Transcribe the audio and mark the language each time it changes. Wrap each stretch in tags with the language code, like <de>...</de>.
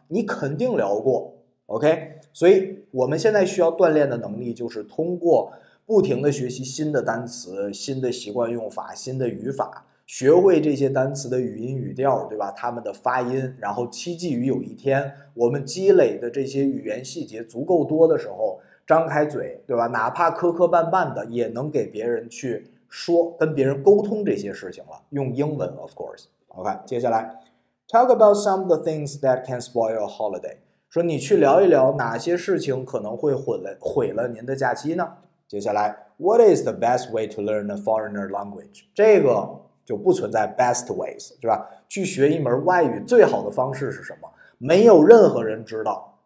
<zh>你肯定聊过，OK？ 所以我们现在需要锻炼的能力，就是通过不停的学习新的单词、新的习惯用法、新的语法，学会这些单词的语音语调，对吧？他们的发音，然后期冀于有一天我们积累的这些语言细节足够多的时候，张开嘴，对吧？哪怕磕磕绊绊的，也能给别人去。说跟别人沟通这些事情了，用英文，</zh> <en>of course。 OK，</en> <zh>接下来，</zh> <en>talk about some of the things that can spoil your holiday。</en> <zh>说你去聊一聊哪些事情可能会毁了您的假期呢？接下来，</zh> <en>what is the best way to learn a foreigner language？</en> <zh>这个就不存在</zh> <en>best ways，</en> <zh>是吧？去学一门外语最好的方式是什么？没有任何人知道。</zh>